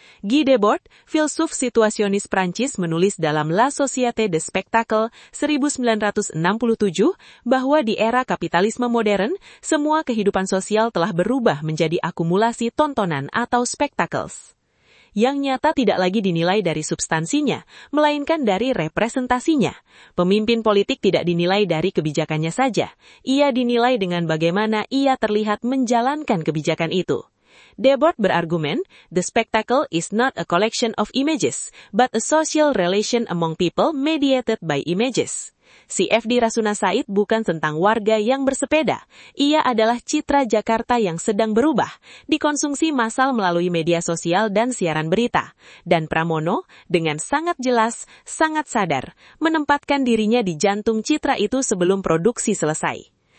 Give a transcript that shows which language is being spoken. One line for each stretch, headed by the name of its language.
Indonesian: Guy Debord, filsuf situasionis Prancis menulis dalam La Société de Spectacle 1967 bahwa di era kapitalisme modern, semua kehidupan sosial telah berubah menjadi akumulasi tontonan atau spectacles. Yang nyata tidak lagi dinilai dari substansinya, melainkan dari representasinya. Pemimpin politik tidak dinilai dari kebijakannya saja, ia dinilai dengan bagaimana ia terlihat menjalankan kebijakan itu.
English: Debord berargumen, "The spectacle is not a collection of images, but a social relation among people mediated by images."
Indonesian: Si F.D. Rasuna Said bukan tentang warga yang bersepeda. Ia adalah citra Jakarta yang sedang berubah, dikonsumsi massal melalui media sosial dan siaran berita. Dan Pramono, dengan sangat jelas, sangat sadar, menempatkan dirinya di jantung citra itu sebelum produksi selesai.